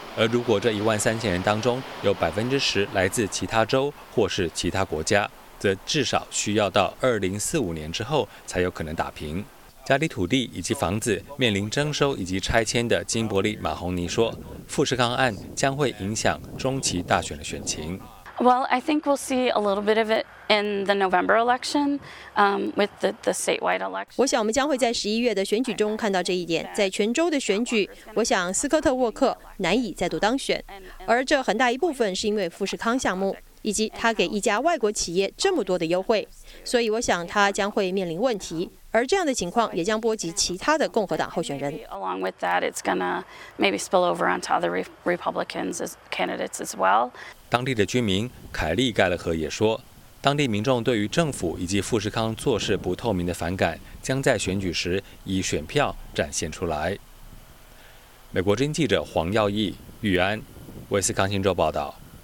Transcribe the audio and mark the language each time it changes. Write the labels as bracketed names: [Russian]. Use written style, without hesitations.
[Chinese] 而如果这13000人当中有10%来自其他州或是其他国家，则至少需要到2045年之后才有可能打平。家里土地以及房子面临征收以及拆迁的金伯利·马洪尼说，富士康案将会影响中期大选的选情。 [English] Well, I think we'll see a little bit of it in the November election, with the statewide election. [Chinese] 我想我们将会在11月的选举中看到这一点。在全州的选举，我想斯科特·沃克难以再度当选，而这很大一部分是因为富士康项目以及他给一家外国企业这么多的优惠，所以我想他将会面临问题。而这样的情况也将波及其他的共和党候选人。 [English] Along with that, it's gonna maybe spill over onto other Republicans as candidates as well. [Chinese] 当地的居民凯利·盖勒赫也说，当地民众对于政府以及富士康做事不透明的反感，将在选举时以选票展现出来。美国之音记者黄耀毅、玉安，威斯康星州报道。